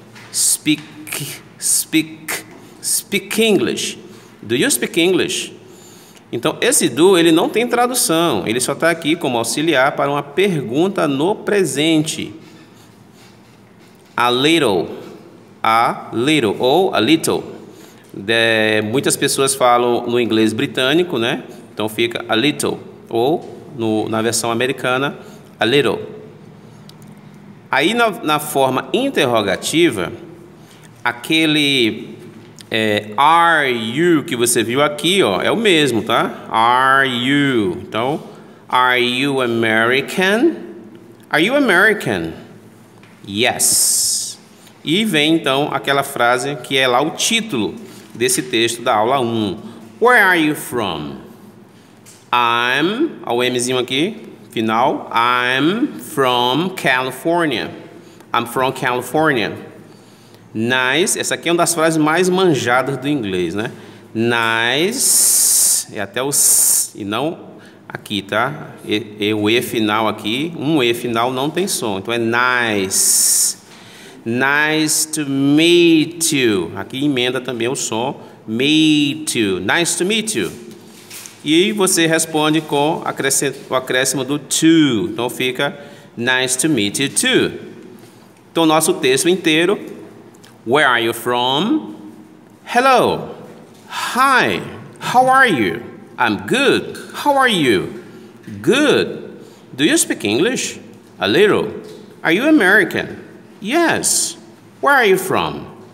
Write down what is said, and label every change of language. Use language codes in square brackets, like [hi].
[en] Speak, speak, speak English. Do you speak English? [pt] Então, esse do, ele não tem tradução. Ele só tá aqui como auxiliar para uma pergunta no presente. [en] A little. A little. [pt] Ou a little. Muitas pessoas falam no inglês britânico, né? Então, fica [en] a little. [pt] Ou, na versão americana, [en] a little. [pt] Aí na forma interrogativa, aquele [en] are you [pt] que você viu aqui, ó, é o mesmo, tá? [en] Are you. [pt] Então, [en] are you American? Are you American? Yes. [pt] E vem então aquela frase que é lá o título desse texto da aula 1. [en] Where are you from? I'm, [pt] ó, o Mzinho aqui. Final, [en] I'm from California. I'm from California. [pt] Nice, essa aqui é uma das frases mais manjadas do inglês, né? Nice, é até o s, e não Aqui, tá? E o E final aqui, um E final não tem som. Então é [en] nice. Nice to meet you. [pt] Aqui emenda também o som. [en] Meet you. Nice to meet you. [pt] E você responde com o acréscimo do to. Então fica [en] nice to meet you too. [pt] Então nosso texto inteiro. [en] Where are you from? Hello. Hi. How are you? I'm good. How are you? Good. Do you speak English? A little. Are you American? Yes. Where are you from?